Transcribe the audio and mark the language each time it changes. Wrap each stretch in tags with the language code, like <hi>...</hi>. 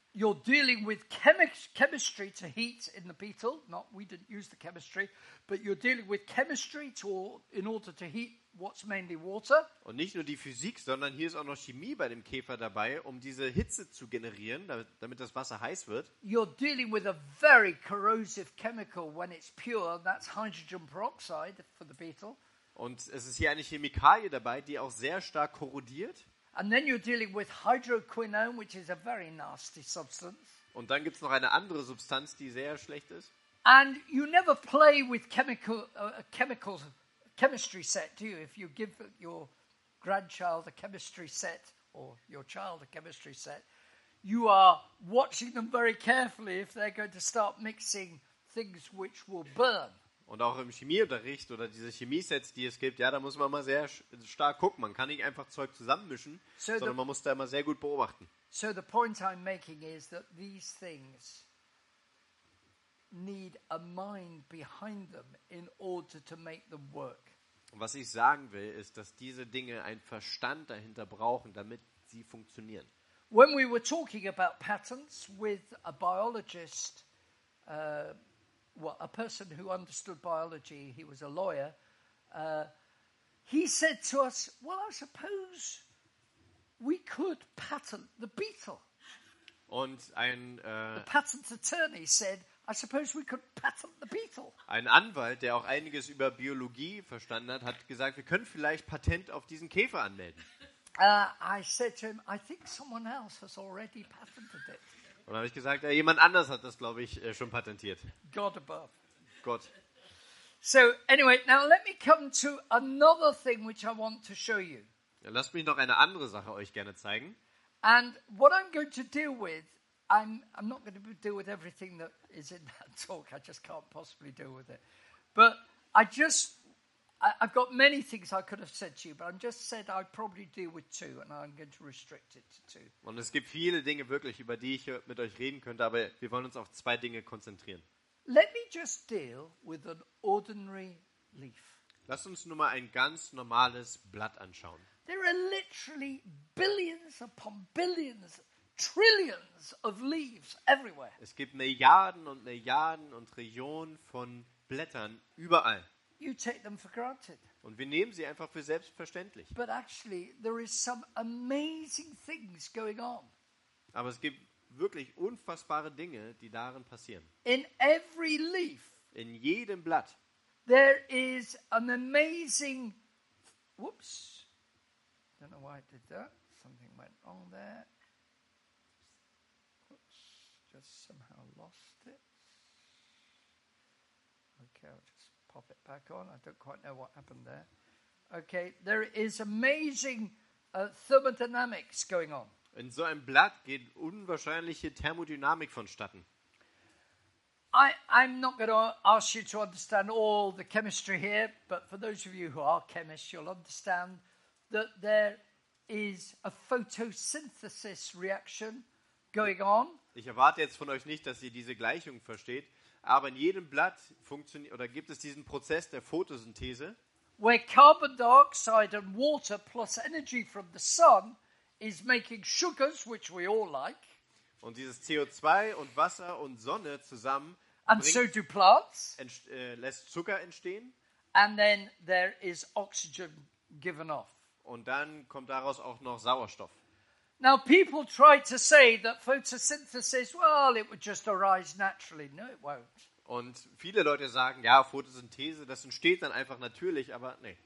<en>You're dealing with chemistry to heat in the beetle. Not we didn't use the chemistry, but you're dealing with chemistry in order to heat what's mainly water.</en> <de>Und nicht nur die Physik, sondern hier ist auch noch Chemie bei dem Käfer dabei, um diese Hitze zu generieren, damit das Wasser heiß wird.</de> <en>You're dealing with a very corrosive chemical when it's pure. That's hydrogen peroxide for the beetle.</en> <de>Und es ist hier eine Chemikalie dabei, die auch sehr stark korrodiert.</de> <en>And then you're dealing with hydroquinone, which is a very nasty substance.</en> <de>Und dann gibt's noch eine andere Substanz, die sehr schlecht ist.</de> <en>And you never play with chemistry set, do you? If you give your grandchild a chemistry set or your child a chemistry set, you are watching them very carefully if they're going to start mixing things which will burn.</en> <de>Und auch im Chemieunterricht oder diese Chemiesets, die es gibt, ja, da muss man mal sehr stark gucken. Man kann nicht einfach Zeug zusammenmischen, sondern man muss da immer sehr gut beobachten.</de> <en>So the point I'm making is that these things need a mind behind them in order to make them work.</en> <de>Und was ich sagen will, ist, dass diese Dinge einen Verstand dahinter brauchen, damit sie funktionieren.</de> <en>When we were talking about patents with a biologist, a person who understood biology, he was a lawyer, he said to us, well, I suppose we could patent the beetle.</en> <de>Und</de> <en>the patent attorney said, I suppose we could patent the beetle.</en> <de>Ein Anwalt, der auch einiges über Biologie verstanden hat, hat gesagt, wir können vielleicht Patent auf diesen Käfer anmelden.</de> <en>I said to him, I think someone else has already patented it.</en> <de>Und dann habe ich gesagt, ja, jemand anders hat das, glaube ich, schon patentiert.</de> <en>God above.</en> <de>Gott.</de> <en>So anyway, now let me come to another thing which I want to show you.</en> <de>Ja, lasst mich noch eine andere Sache euch gerne zeigen.</de> <en>And what I'm going to deal with, I'm not going to deal with everything that is in that talk. I just can't possibly deal with it. But I just I've got many things I could have said to you, but I'm just said I'd probably deal with two, and I'm going to restrict it to two.</en> <de>Und es gibt viele Dinge wirklich, über die ich mit euch reden könnte, aber wir wollen uns auf zwei Dinge konzentrieren.</de> <en>Let me just deal with an ordinary leaf.</en> <de>Lass uns nur mal ein ganz normales Blatt anschauen.</de> <en>There are literally billions upon billions, trillions of leaves everywhere.</en> <de>Es gibt Milliarden und Milliarden und Trillionen von Blättern überall.</de> <en>You take them for granted.</en> <de>Und wir nehmen sie einfach für selbstverständlich.</de> <en>But actually, there is some amazing things going on.</en> <de>Aber es gibt wirklich unfassbare Dinge, die darin passieren.</de> <en>In every leaf.</en> <de>In jedem Blatt.</de> <en>There is an amazing. Whoops. Don't know why I did that. Something went wrong there. Whoops. Just somehow lost it. Okay. I'll just pop it back on. I don't quite know what happened there. Okay, there is amazing thermodynamics going on.</en> <de>In so einem Blatt geht unwahrscheinliche Thermodynamik vonstatten.</de> <en>I'm not going to ask you to understand all the chemistry here, but for those of you who are chemists, you'll understand that there is a photosynthesis reaction going on.</en> <de>Ich erwarte jetzt von euch nicht, dass ihr diese Gleichung versteht. Aber in jedem Blatt funktioniert oder gibt es diesen Prozess der Photosynthese,</de> <en>where carbon dioxide and water plus energy from the sun is making sugars, which we all like.</en> <de>Und dieses CO2 und Wasser und Sonne zusammen</de> <en>and so do plants.</en> <de>Lässt Zucker entstehen.</de> <en>And then there is oxygen given off.</en> <de>Und dann kommt daraus auch noch Sauerstoff.</de> <en>Now people try to say that photosynthesis, well, it would just arise naturally. No, it won't.</en> <de>Und viele Leute sagen, ja, Photosynthese, das entsteht dann einfach natürlich, aber nee.</de>